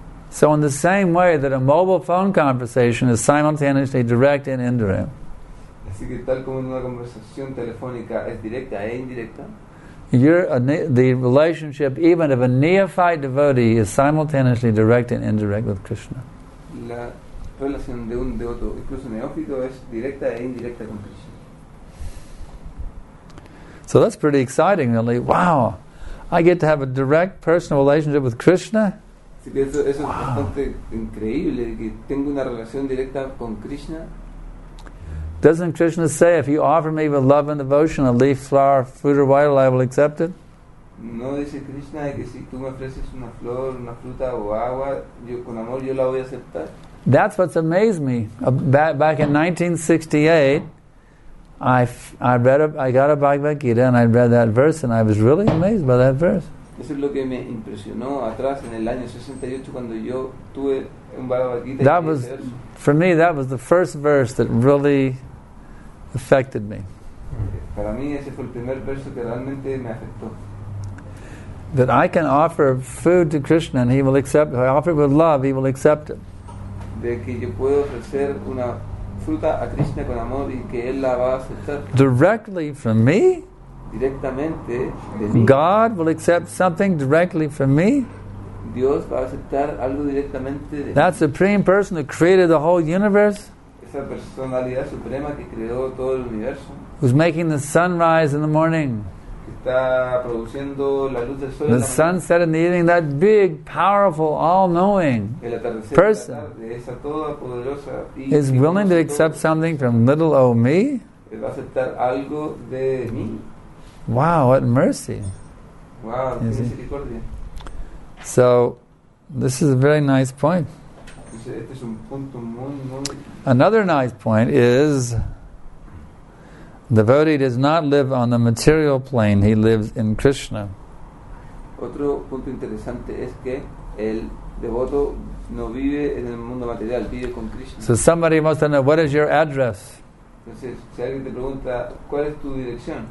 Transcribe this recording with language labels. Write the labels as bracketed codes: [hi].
[en] So in the same way that a mobile phone conversation is simultaneously direct and indirect, the relationship even of a neophyte devotee is simultaneously direct and indirect with Krishna. [es] La relación de un devoto, incluso neófito, es directa e indirecta con Krishna. [en] So that's pretty exciting, really. Wow! I get to have a direct personal relationship with Krishna? [es] Sí, eso wow. Es bastante increíble, que tengo una relación directa con Krishna. [en] Doesn't Krishna say, if you offer me with love and devotion, a leaf, flower, fruit, or water, I will accept it? [es] No dice Krishna que si tú me ofreces una flor, una fruta o agua, yo con amor yo la voy a aceptar. [en] That's what's amazed me. Back in 1968, I got a Bhagavad Gita and I read that verse and I was really amazed by that verse. [es] Eso es lo que me impresionó atrás en el año 68 cuando yo tuve. [en] That was, for me, that was the first verse that really affected me. [es] Para mí ese fue el primer verso que realmente me afectó. [en] That I can offer food to Krishna and he will accept it. If I offer it with love, he will accept it. [es] De que yo puedo ofrecer una fruta a Krishna con amor y que él la va a aceptar. [en] Directly from me? [es] directamente de mí. [en] God will accept something directly from me. [es] Dios va a aceptar algo directamente de [en] that supreme person who created the whole universe. [es] Esa personalidad suprema que creó todo el universo. [en] Who's making the sunrise in the morning. [es] Que está produciendo la luz del sol. [en] The sunset in the evening, that big, powerful, all-knowing [es] el atardecer [en] person [es] de esa toda poderosa y [en] is willing to accept something from little old me. [es] Él va a aceptar algo de mí. [en] Wow, what mercy. [es] Wow, qué misericordia. [en] So, this is a very nice point. [es] Este es un punto muy, muy... [en] Another nice point is the devotee does not live on the material plane, he lives in Krishna. [es] Otro punto interesante es que el devoto no vive en el mundo material, vive con Krishna. [en] So somebody wants to know, what is your address? [es] Entonces, si alguien te pregunta, ¿cuál es tu dirección?